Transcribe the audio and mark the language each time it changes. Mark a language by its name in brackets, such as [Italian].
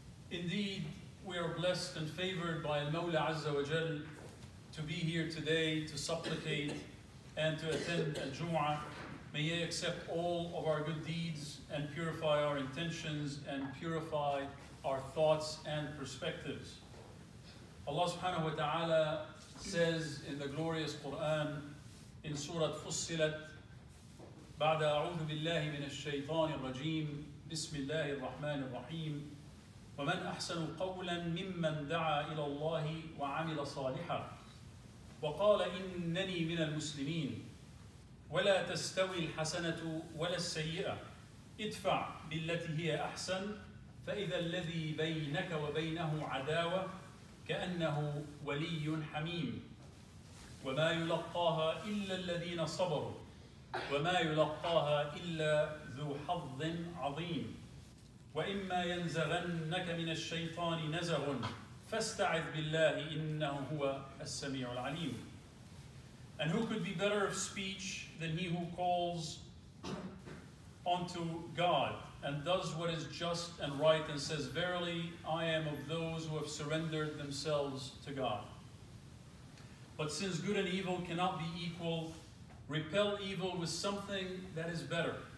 [English] Indeed, we are blessed and favored by Al-Mawla Azza wa Jal to be here today to supplicate and to attend Al-Jum'ah. May He accept all of our good deeds and purify our intentions and purify our thoughts and perspectives. Allah subhanahu wa ta'ala says in the glorious Quran in Surah Fussilat, [Arabic] بَعْدَ أَعُوذُ بِاللَّهِ مِنَ الشَّيْطَانِ الرَّجِيمِ بِسْمِ اللَّهِ الرَّحْمَنِ الرَّحِيمِ وَمَنْ أَحْسَنُ قَوْلًا مِمَّنْ دَعَى إِلَى اللَّهِ وَعَمِلَ صَالِحًا وَقَالَ إِنَّنِي مِنَ الْمُسْلِمِينَ وَلَا تَسْتَوِي الْحَسَنَةُ وَلَا السَّيِّئَةُ ادفع بِالَّتِي هِيَ أَحْسَنُ فَإِذَا الَّذِي بَيْنَكَ وَبَيْنَهُ عَدَاوَةٌ كَأَنَّهُ وَلِيٌّ حَمِيمٌ وَمَا يُلَقَّاهَا إِلَّا الَّذِينَ صَبَرُوا وَمَا يُلَقَّاهَا إِلَّا ذُو حَظٍّ عَظِيمٍ وَإِمَّا يَنْزَغَنَّكَ مِنَ الشَّيْطَانِ نَزَغٌ فَاسْتَعِذْ بِاللَّهِ إِنَّهُ هُوَ السَّمِيعُ الْعَلِيمُ. [English] And who could be better of speech than he who calls unto God and does what is just and right and says, verily, I am of those who have surrendered themselves to God. But since good and evil cannot be equal, repel evil with something that is better.